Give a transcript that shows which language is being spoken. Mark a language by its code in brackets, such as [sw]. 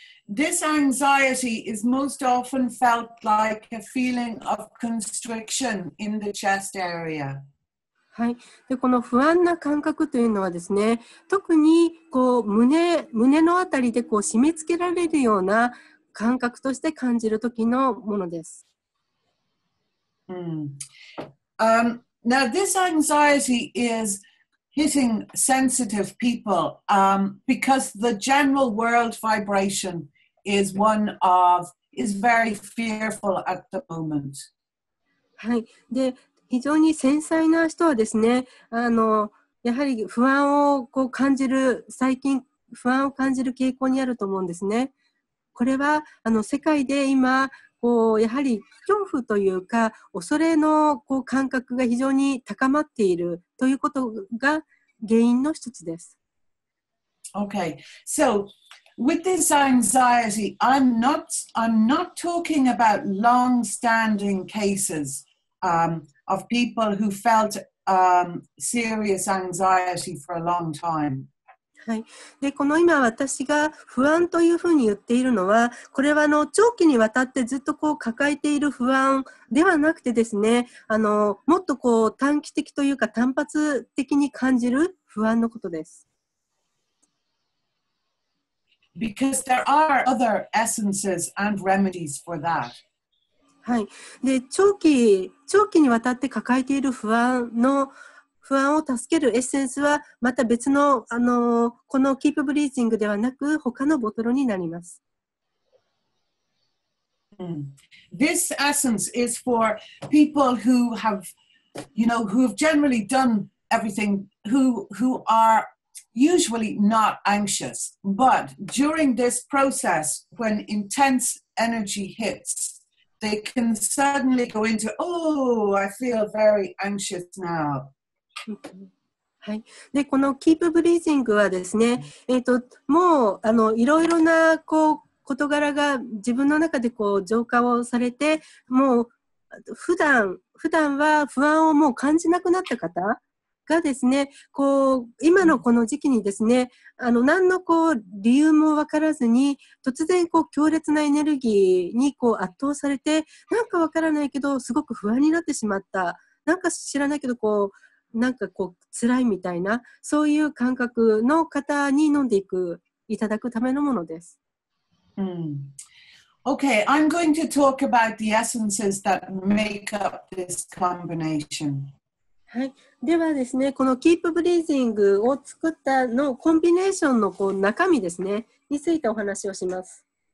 [en] This anxiety is most often felt like a feeling of constriction in the chest area. [ja] はい。で、この不安な感覚というのはですね、特にこう胸のあたりでこう締め付けられるような感覚として感じるときのものです。 [en] Now, this anxiety is hitting sensitive people, because the general world vibration is very fearful at the moment. [ja] はい。で、非常に繊細な人はですね、あの、やはり不安をこう感じる、最近不安を感じる傾向にあると思うんですね。これは、あの、世界で今、こうやはり恐怖というか恐れのこう感覚が非常に高まっているということが原因の一つです。 [en] Okay. So, With this anxiety, I'm not talking about long-standing cases of people who felt serious anxiety for a long time. [ja] はい、でこの今私が不安というふうに言っているのは、これはあの長期にわたってずっとこう抱えている不安ではなくてですね、あのもっとこう短期的というか単発的に感じる不安のことです。 [en] Because there are other essences and remedies for that. [ja] はい。で、長期にわたって抱えている不安を助けるエッセンスはまた別の、あの、このキープブリーチングではなく他のボトルになります。 [en] This essence is for people who have, you know, who have generally done everything, who are usually not anxious, but during this process, when intense energy hits, they can suddenly go into, oh, I feel very anxious now. [ja] はい、でこのキープブリージングはですね、もうあのいろいろなこう事柄が自分の中でこう浄化をされて、もう普段は不安をもう感じなくなった方がですね、こう今のこの時期にですね、あの何のこう理由も分からずに突然こう強烈なエネルギーにこう圧倒されて、なんか分からないけどすごく不安になってしまった、なんか知らないけどこうなんかこう辛いみたいな、そういう感覚の方に飲んでいく、いただくためのものです。 [en] Okay, I'm going to talk about the essences that make up this combination. [ja] はい、ではですね、このキープブリージングを作ったのコンビネーションのこう中身ですね、についてお話をします。